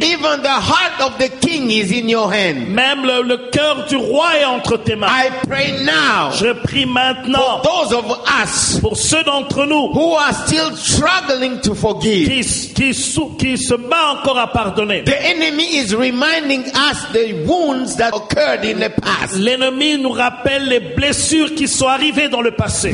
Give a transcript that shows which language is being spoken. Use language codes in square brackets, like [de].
[en] Even the heart of the king is in your hand. [fr] Même le cœur du roi est entre tes mains. [en] I pray now. [fr] Je prie maintenant. [en] For those of us. [fr] Pour ceux d'entre nous. [en] Who are still struggling to forgive. [fr] Qui se bat encore à pardonner. [en] The enemy is reminding us the wounds that occurred in the past. [fr] L'ennemi nous rappelle les blessures qui sont arrivées dans le passé.